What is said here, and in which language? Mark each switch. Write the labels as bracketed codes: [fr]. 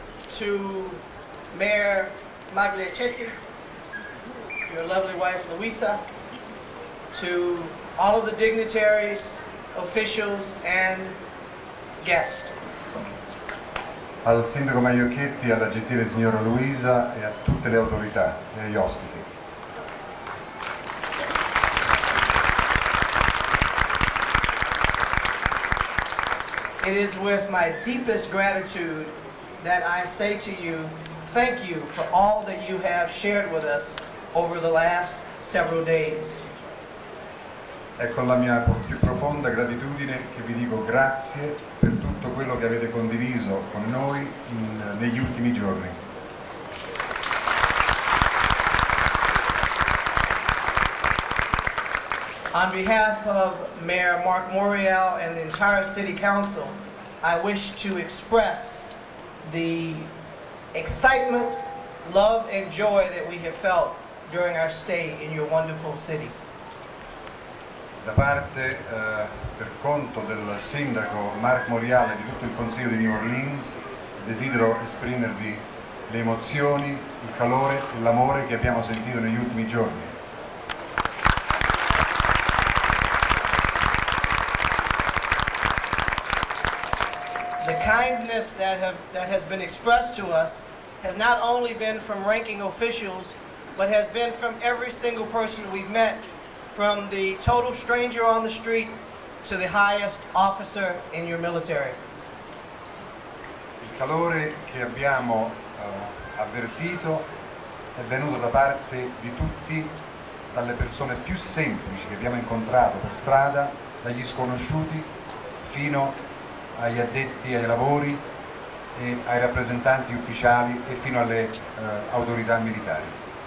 [en] to Mayor Magliacetti, your lovely wife Luisa, to all of the dignitaries, officials, and guests. [it] Al sindaco Magliacetti, alla gentile signora Luisa e a tutte le autorità e agli ospiti. [en] It is with my deepest gratitude that I say to you, thank you for all that you have shared with us over the last several days. [it] È con la mia più profonda gratitudine che vi dico grazie per tutto quello che avete condiviso con noi negli ultimi giorni. [en] On behalf of Mayor Mark Morial and the entire City Council, I wish to express the excitement, love, and joy that we have felt during our stay in your wonderful city. [it] Da parte per conto del sindaco Mark Morial e di tutto il consiglio di New Orleans, desidero esprimervi le emozioni, il calore e l'amore che abbiamo sentito negli ultimi giorni. [en] The kindness that has been expressed to us has not only been from ranking officials, but has been from every single person we've met, from the total stranger on the street to the highest officer in your military. [it] Il calore che abbiamo avvertito è venuto da parte di tutti, dalle persone più semplici che abbiamo incontrato per strada, dagli sconosciuti fino agli addetti ai lavori e ai rappresentanti ufficiali e fino alle autorità militari.